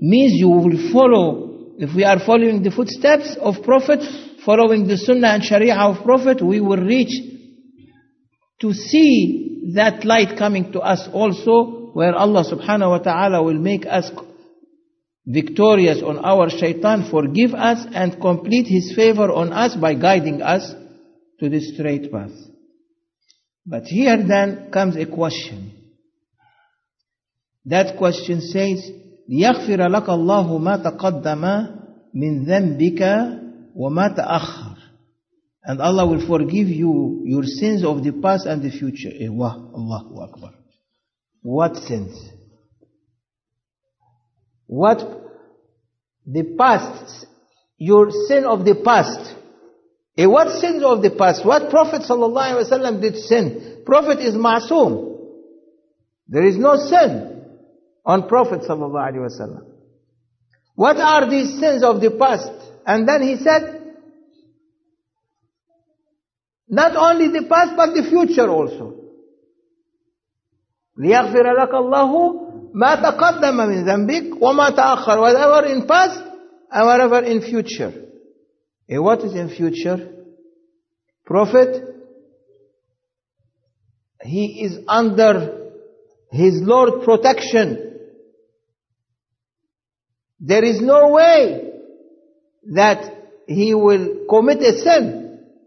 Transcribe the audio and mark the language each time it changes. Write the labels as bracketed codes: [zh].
[en] Means you will follow, if we are following the footsteps of Prophet, following the Sunnah and Sharia of Prophet, we will reach to see that light coming to us also, where Allah subhanahu wa ta'ala will make us victorious on our shaitan, forgive us and complete his favor on us by guiding us to the straight path. But here then comes a question. That question says, [ar] لِيَغْفِرَ لَكَ اللَّهُ مَا تَقَدَّمَ مِنْ ذَنْبِكَ وَمَا تَأَخَّرَ. [en] And Allah will forgive you your sins of the past and the future. Ewah, Allahu Akbar. What sins? What the past, your sin of the past. What sins of the past? What Prophet sallallahu alaihi wasallam did sin? Prophet is ma'soom. There is no sin on Prophet sallallahu alaihi wasallam. What are these sins of the past? And then he said, not only the past, but the future also. [ar] لِيَغْفِرَ لَكَ اللَّهُ مَا تَقَدَّمَ مِنْ ذَنْبِكَ وَمَا تَأَخَّرَ [en] whatever in past and whatever in future. And what is in future? Prophet, he is under his Lord's protection. There is no way that he will commit a sin.